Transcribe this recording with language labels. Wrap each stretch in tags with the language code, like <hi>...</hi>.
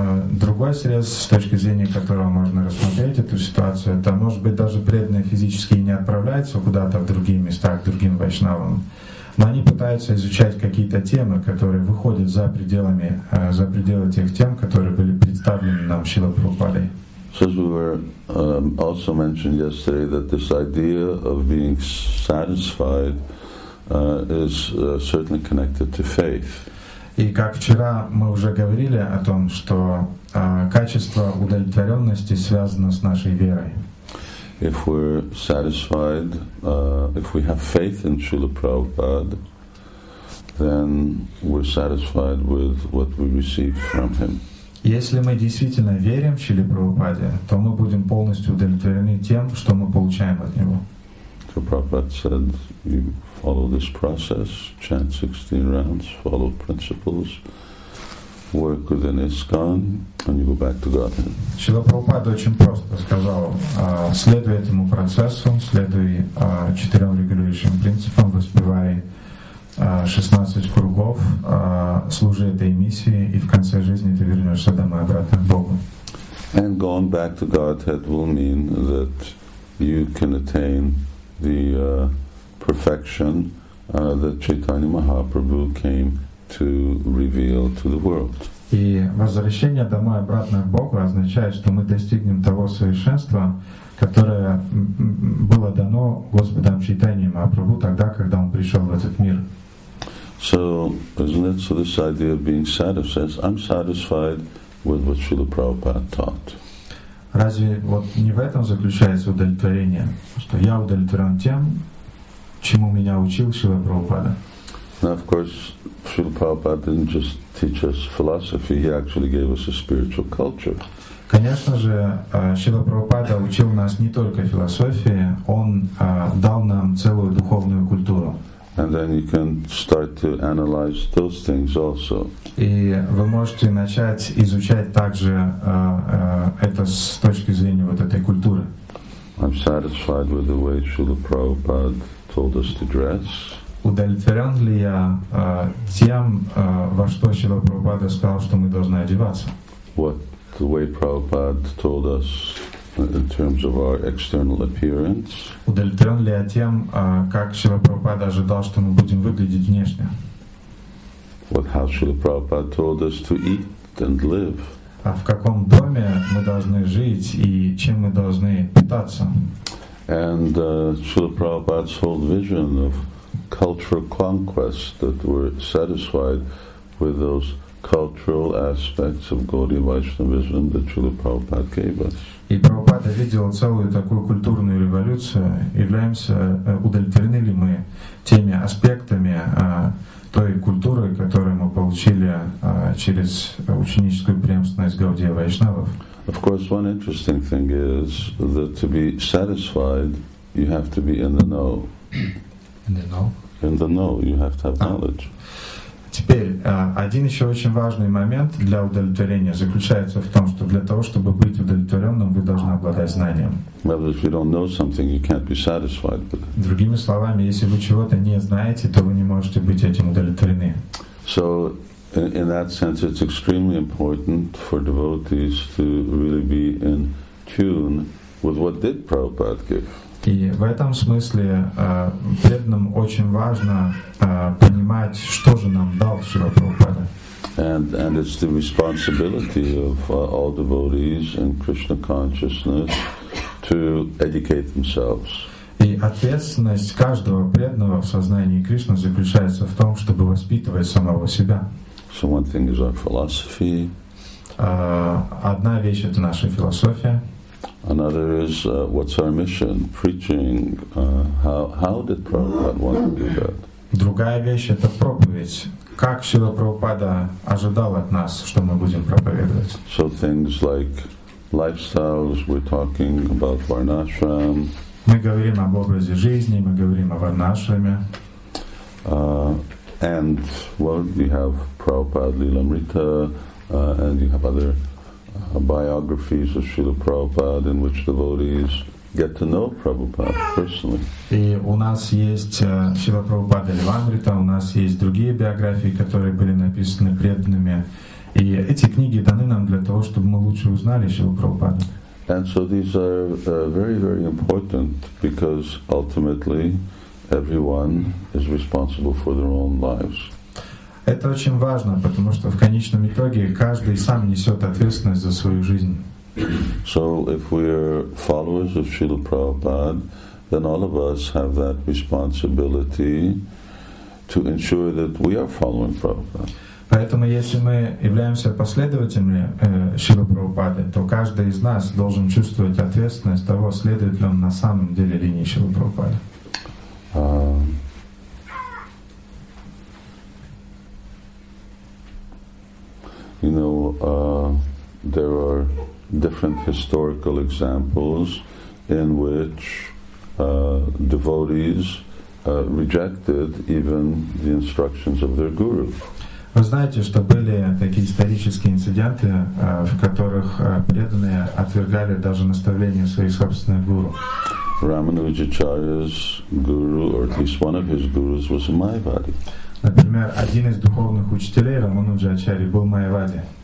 <ru>Другой срез, с точки зрения которого можно рассмотреть эту ситуацию, это, может быть, даже преданные физически не отправляются куда-то в другие места, к другим вайшнавам, но они пытаются изучать какие-то темы, которые выходят за пределы тех тем, которые были представлены нам Шрилой Прабхупадой.</ru> <en>So as we were also mentioned yesterday, that this idea of being satisfied is certainly connected to faith.</en> <ru>И как вчера мы уже говорили о том, что качество удовлетворенности связано с нашей верой.</ru> <en>If we're satisfied, if we have faith in Srila Prabhupada, then we're satisfied with what we receive from him.</en> <ru>Если мы действительно верим в Шриле Прабхупаде, то мы будем полностью удовлетворены тем, что мы получаем от него.</ru> <en>So Prabhupada said, you follow this process, chant 16 rounds, follow principles, work within ISKCON, and you go back to Godhead.</en> <ru>Шрила Прабхупада очень просто сказал, следуй этому процессу, следуй четырем регулирующим принципам, воспевай 16 кругов, служи этой миссии, и в конце жизни ты вернешься домой обратно к Богу.</ru> <en>And going back to Godhead will mean that you can attain the perfection that Chaitanya Mahaprabhu came to reveal to the world.</en> <ru>И возвращение домой обратно к Богу означает, что мы достигнем того совершенства, которое было дано Господом Чайтанья Махапрабху тогда, когда он пришел в этот мир.</ru> <en>So, isn't it, so this idea of being satisfied, I'm satisfied with what Srila Prabhupada taught.</en> <ru>Разве вот не в этом заключается удовлетворение, что я удовлетворен тем, чему меня учил Шрила Прабхупада?</ru> <en>Now, of course, Srila Prabhupada didn't just teach us philosophy, he actually gave us a spiritual culture.</en> <ru>Конечно же, Шрила Прабхупада учил нас не только философии, он дал нам целую духовную культуру.</ru> <en>And then you can start to analyze those things also.</en> <ru>И вы можете начать изучать также это с точки зрения вот этой культуры.</ru> <en>I'm satisfied with the way Srila Prabhupada told us to dress.</en> <ru>Удовлетворен ли я тем, во что Шрила Прабхупада сказал, что мы должны одеваться?</ru> <en>What the way Prabhupada told us in terms of our external appearance.</en> <ru>Удовлетворен ли я тем, как Шрила Прабхупада ожидал, что мы будем выглядеть внешне?</ru> <en>What how Шрила Прабхупада told us to eat and live.</en> <ru>А в каком доме мы должны жить и чем мы должны питаться?</ru> <en>And Srila Prabhupada's whole vision of cultural conquest that we're satisfied with those cultural aspects of Gaudiya Vaishnavism that Srila Prabhupada gave us.</en> <ru>И Прабхупада видел целую такую культурную революцию. Являемся удовлетворены ли мы теми аспектами той культуры, которую мы получили через ученическую преемственность Гаудия Вайшнавов?</ru> <en>Of course, one interesting thing is that to be satisfied, you have to be in the know. In the know? In the know, you have to have knowledge.</en> <ru>Теперь, один еще очень важный момент для удовлетворения заключается в том, что для того, чтобы быть удовлетворенным, вы должны обладать знанием.</ru> <en>Well, if you don't know something, you can't be satisfied with it.</en> <ru>Другими словами, если вы чего-то не знаете, то вы не можете быть этим удовлетворены.</ru> <en>So, in that sense, it's extremely important for devotees to really be in tune with what did Prabhupada give.</en> <ru>И в этом смысле преданным очень важно понимать, что же нам дал Шрила Прабхупада.</ru> <en>And it's the responsibility of all devotees in Krishna consciousness to educate themselves.</en> <ru>И ответственность каждого преданного в сознании Кришны заключается в том, чтобы воспитывать самого себя.</ru> <en>So one thing is our philosophy.</en> <ru>Одна вещь — это наша философия.</ru> <en>Another is what's our mission? Preaching. How did Prabhupada want to do that?</en> <ru>Другая вещь — это проповедь. Как Шрила Прабхупада ожидал от нас, что мы будем проповедовать?</ru> <en>So things like lifestyles. We're talking about varnashram.</en> <ru>Мы говорим об образе жизни. Мы говорим о варнашраме.</ru> <en>And well, you have Prabhupada Lilamrita, and you have other biographies of Srila Prabhupada in which devotees get to know Prabhupada personally.</en> <ru>И у нас есть Шрила Прабхупада Лилямрита, у нас есть другие биографии, которые были написаны преданными, и эти книги даны нам для того, чтобы мы лучше узнали Шрилу Прабхупаду.</ru> <en>And so these are very, very important because ultimately everyone is responsible for their own lives.</en> <ru>Это очень важно, потому что в конечном итоге каждый сам несет ответственность за свою жизнь.</ru> <en>So if we are followers of Srila Prabhupada, then all of us have that responsibility to ensure that we are following Prabhupada.</en> <ru>Поэтому если мы являемся последователями Шрилы Прабхупады, то каждый из нас должен чувствовать ответственность того, следует ли он на самом деле линии Шрилы Прабхупады.</ru> <en>You know, there are different historical examples in which devotees rejected even the instructions of their guru.</en> <ru>Вы знаете, что были такие исторические инциденты, в которых преданные отвергали даже наставления своих собственных гуру.</ru> <en>Рамануджачарья's guru, or at least one of his gurus, was a Mayavadi.</en> <ru>Например, один из духовных учителей Рамануджачарьи был Майявади.</ru>